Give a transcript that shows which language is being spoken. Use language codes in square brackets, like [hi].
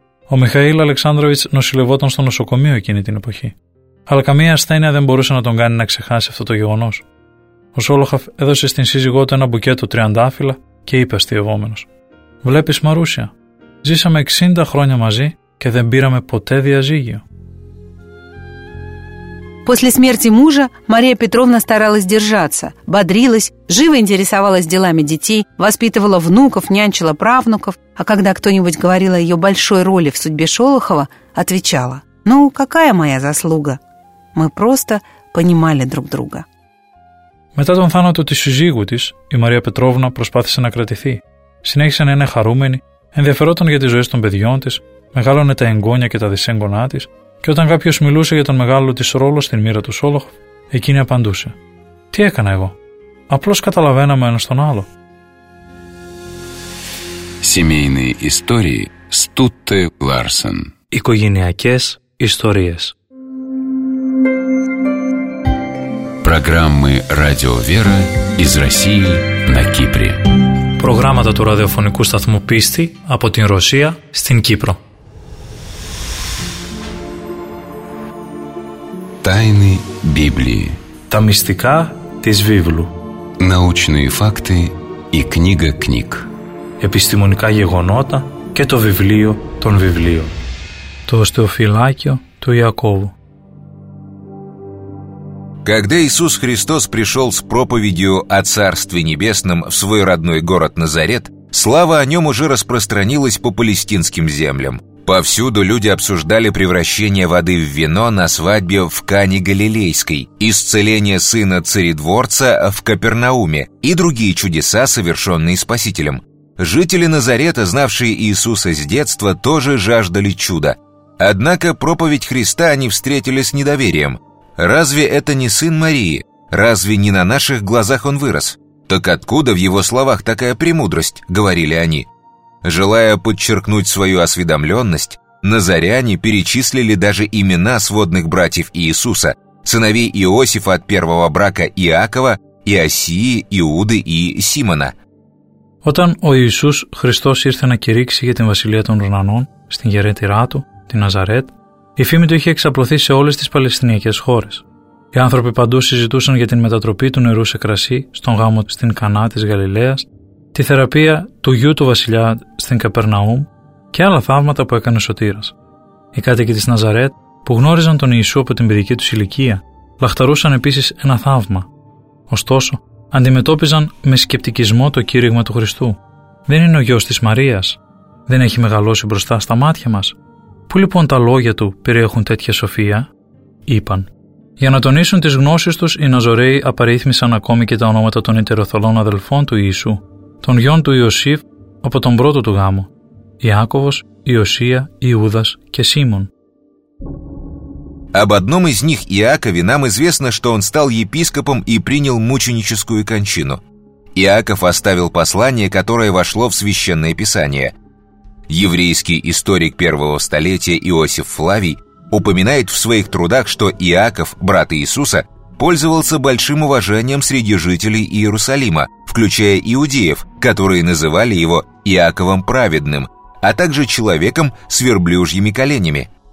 [el] Ο Μιχαήλ Αλεξάνδροβιτς νοσηλευόταν στο νοσοκομείο εκείνη την εποχή. Αλλά καμία ασθένεια δεν μπορούσε να τον κάνει να ξεχάσει αυτό το γεγονός. Ο Σόλοχοφ έδωσε στην σύζυγό του ένα μπουκέτο τριαντάφυλλα και είπε αστειευόμενος: «Βλέπεις, Μαρούσια, ζήσαμε 60 χρόνια μαζί. Και δεν πήραμε ποτέ διαζύγιο». [ru] После смерти мужа Мария Петровна старалась держаться, бодрилась, живо интересовалась делами детей, воспитывала внуков, нянчила правнуков, а когда кто-нибудь говорил о ее большой роли в судьбе Шолохова, отвечала: «Ну, какая моя заслуга? Мы просто понимали друг друга». [el] Μετά τον θάνατο της σύζυγου της, η Μαρία Πετρόβνα προσπάθησε να κρατηθεί. Συνέχισε να είναι χαρούμενη, ενδιαφερόταν για τις ζωές των παιδιών της. Μεγάλωνε τα εγγόνια και τα δυσέγγονά της και όταν κάποιος μιλούσε για τον μεγάλο της ρόλο στην μοίρα του Σόλοχοφ, εκείνη απαντούσε: «Τι έκανα εγώ? Απλώς καταλαβαίναμε ένας τον άλλο». [ru] Семейные истории Стутте Ларсен. [el] Οικογενειακές ιστορίες. [ru] Программы Радио Вера из России на Кипре. [el] Προγράμματα του ραδιοφωνικού σταθμού Πίστη από την Ρωσία στην Κύπρο. [ru] Тайны Библии. [el] Та мистика тез Библу. [ru] Научные факты и книга книг. [el] Эпистемоника гегонота και το βιβλίο των βιβλίων. Το οστεοφυλάκιο του Ιακώβου. [ru] Когда Иисус Христос пришел с проповедью о Царстве Небесном в свой родной город Назарет, слава о нем уже распространилась по палестинским землям. Повсюду люди обсуждали превращение воды в вино на свадьбе в Кане Галилейской, исцеление сына царедворца в Капернауме и другие чудеса, совершенные Спасителем. Жители Назарета, знавшие Иисуса с детства, тоже жаждали чуда. Однако проповедь Христа они встретили с недоверием. «Разве это не сын Марии? Разве не на наших глазах он вырос? Так откуда в его словах такая премудрость?» — говорили они. Желая подчеркнуть свою осведомленность, назаряне перечислили даже имена сводных братьев Иисуса, сыновей Иосифа от первого брака Иакова, Иосии, Иуды и Симона. [el] Όταν ο Ιησούς Χριστός ήρθε να κηρύξει για την βασιλεία των ουρανών, στην γερέτηρά του, την Ναζαρέτ, η φήμη του είχε εξαπλωθεί σε όλες τις παλαιστινιακές χώρες. Οι άνθρωποι παντού συζητούσαν για την μετατροπή του νερού σε κρασί, στον γάμο στην Κανά της Γαλιλαίας, τη θεραπεία του γιου του βασιλιά στην Καπερναούμ και άλλα θαύματα που έκανε Σωτήρας. Οι κάτοικοι της Ναζαρέτ, που γνώριζαν τον Ιησού από την παιδική τους ηλικία, λαχταρούσαν επίσης ένα θαύμα. Ωστόσο, αντιμετώπιζαν με σκεπτικισμό το κήρυγμα του Χριστού. «Δεν είναι ο γιος της Μαρίας? Δεν έχει μεγαλώσει μπροστά στα μάτια μας? Πού λοιπόν τα λόγια του περιέχουν τέτοια σοφία?» είπαν. Για να τονίσουν τις γνώσεις τους, οι Ναζωραίοι απαρίθμησαν ακόμη και τα ονόματα των ετεροθολών αδελφών του Ιησού, των γιών του Ιωσήφ από τον πρώτο του γάμο, Ιάκωβος, Ιωσία, Ιούδας και Σίμων. [ru] Об одном из них, Иакове, нам известно, что он стал епископом и принял мученическую кончину. Иаков оставил послание, которое вошло в Священное Писание. Еврейский историк первого столетия Иосиф Флавий упоминает в своих трудах, что Иаков, брат Иисуса, пользовался большим уважением среди жителей Иерусалима, включая иудеев, которые называли его Иаковом Праведным, а также человеком с верблюжьими коленями.